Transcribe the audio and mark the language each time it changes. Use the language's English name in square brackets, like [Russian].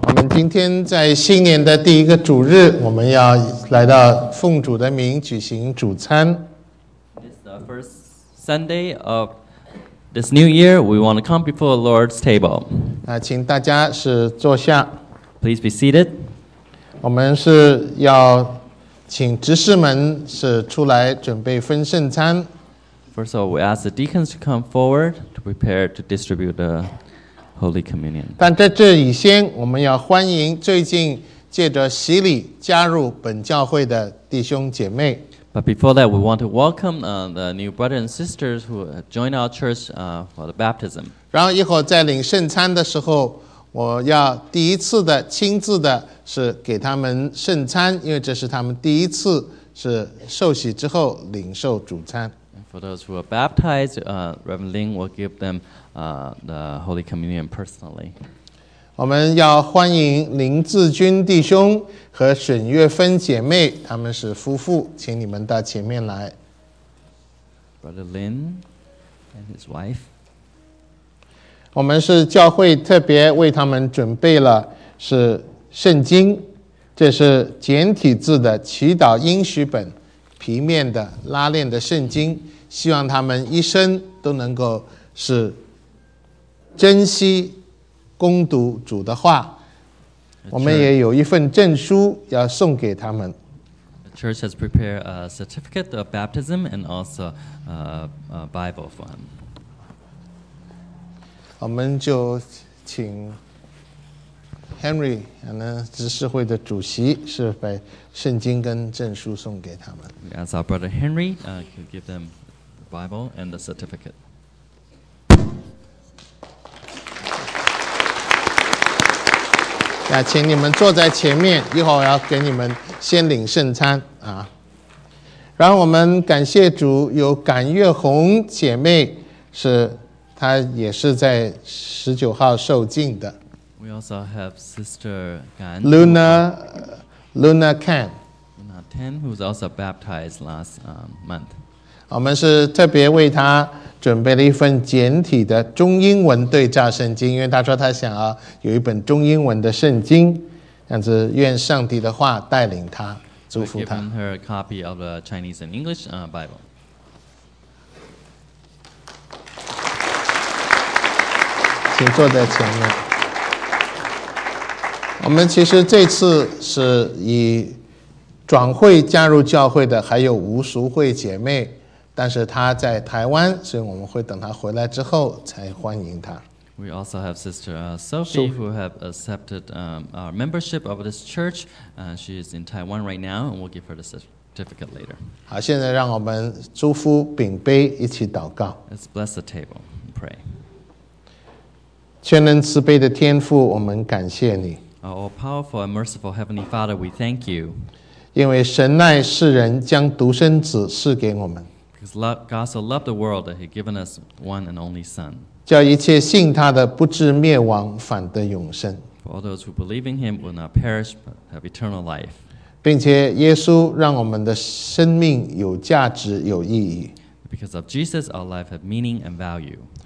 [Chinese] 今天在新年的第一个主日，我们要来到奉主的名举行主餐。 [English] This the first Sunday of this new year, we want to come before the Lord's table. [Chinese] 那请大家是坐下。 [English] Please be seated. [Chinese] 我们是要请执事们是出来准备分圣餐。 [English] First of all, we ask the deacons to come forward to prepare to distribute the Holy Communion. [Chinese] 但在这以先，我们要欢迎最近借着洗礼加入本教会的弟兄姐妹。 [English] But before that, we want to welcome the new brothers and sisters who join our church for the baptism. [Chinese] 然后一会儿在领圣餐的时候，我要第一次的亲自的是给他们圣餐，因为这是他们第一次是受洗之后领受主餐。 [English] For those who are baptized, Reverend Ling will give them the Holy Communion personally. [Chinese] 我们要欢迎林志军弟兄和沈月芬姐妹，他们是夫妇，请你们到前面来。 [English] Brother Lin and his wife. [Chinese] 我们是教会特别为他们准备了是圣经，这是简体字的祈祷应许本，皮面的拉链的圣经。希望他们一生都能够是珍惜攻读主的话，我们也有一份证书要送给他们。 [English] The church has prepared a certificate of baptism and also a Bible for him. [Chinese] 我们就请 Henry 执事会的主席是把圣经跟证书送给他们。 [English] We ask our brother Henry to give them the Bible and the certificate. [Chinese] 请你们坐在前面，一会儿我要给你们先领圣餐啊。然后我们感谢主，有感月红姐妹是她也是在19号受浸的。 [English] We also have Sister Gan Luna Tan. Luna Tan, who was also baptized last month. [Chinese] 我们是特别为她准备了一份简体的中英文对照圣经，因为他说他想要有一本中英文的圣经，这样子愿上帝的话带领他，祝福他。 [English] Given her a copy of the Chinese and English Bible. [Chinese] 请坐在前面。我们其实这次是以转会加入教会的，还有吴淑慧姐妹。但是他在台湾，所以我们会等他回来之后才欢迎他。 [English] We also have Sister Sophie who have accepted our membership of this church. She is in Taiwan right now, and we'll give her the certificate later. [Chinese] 好，现在让我们祝福、秉杯，一起祷告。 [English] Let's bless the table and pray. [Chinese] 全能慈悲的天父，我们感谢你。 [English] Our powerful and merciful Heavenly Father, we thank you. [Chinese] 因为神爱世人，将独生子赐给我们。 [English] God so loved the world that He given us one and only Son. [Chinese] 叫一切信他的不至灭亡，反得永生。 [English] For all those who believe in Him will not perish but have eternal life. [Chinese] 并且耶稣让我们的生命有价值、有意义。 [English] Because of Jesus, our life has meaning and value.